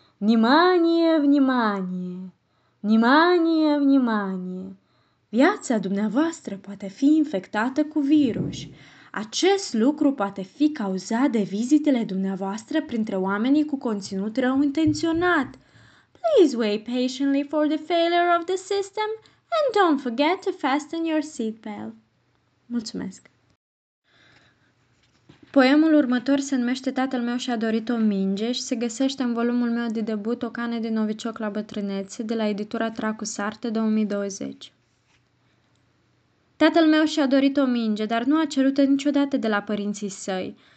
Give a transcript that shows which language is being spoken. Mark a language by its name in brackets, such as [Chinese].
[Russian] Nimanie, vnimanie, nimanie, vnimanie. [Romanian] Viața dumneavoastră poate fi infectată cu virus. Acest lucru poate fi cauzat de vizitele dumneavoastră printre oamenii cu conținut rău intenționat. [English] Please wait patiently for the failure of the system and don't forget to fasten your seatbelt. [Romanian] Mulțumesc! Poemul următor se numește Tatăl meu și-a dorit o minge și se găsește în volumul meu de debut O cană de novicioc la bătrânețe de la editura Tracus Arte 2020. Tatăl meu și-a dorit o minge, dar nu a cerut-o niciodată de la părinții săi.